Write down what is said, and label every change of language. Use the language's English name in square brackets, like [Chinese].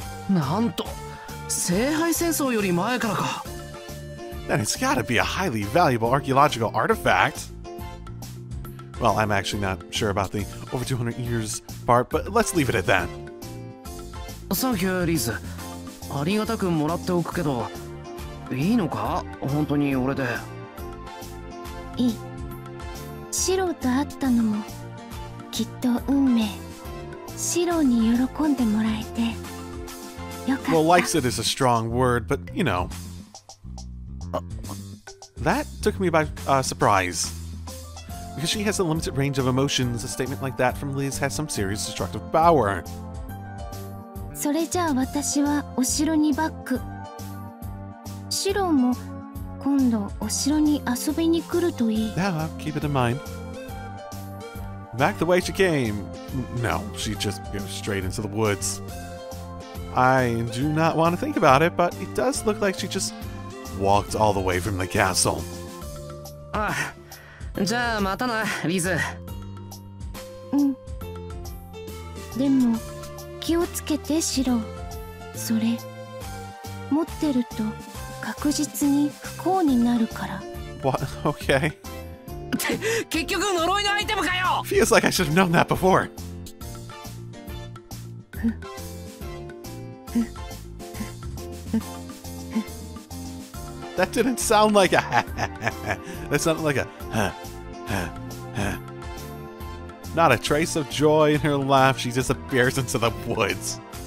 [Japanese] なんと、聖杯戦争より前からか。 [English] Then it's gotta be a highly valuable archaeological artifact. Well, I'm actually not sure about the over 200 years part, but let's leave it at that. Thank you, Liz. [Japanese] ありがたくもらっておくけど、いいのか、本当に俺で。いい。シロと会ったのも、きっと運命。シロに喜んでもらえて。 [English] Well, likes it is a strong word, but, you know. That took me by surprise. Because she has a limited range of emotions, a statement like that from Liz has some serious destructive power. [Japanese] それじゃあ私はお城にバック。シロも今度お城に遊びに来るといい。 [English] Yeah, keep it in mind. back the way she came. No, she just goes straight into the woods. I do not want to think about it, but it does look like she just walked all the way from the castle. [Japanese] じゃあまたな、リズ。でも気をつけて、シロ。それ持ってると確実に不幸になるから。 [English] What? Okay. [Japanese] 結局呪いのアイテムかよ! [English] Feels like I should have known that before. That didn't sound like a That sounded like a Not a trace of joy in her laugh, she disappears into the woods.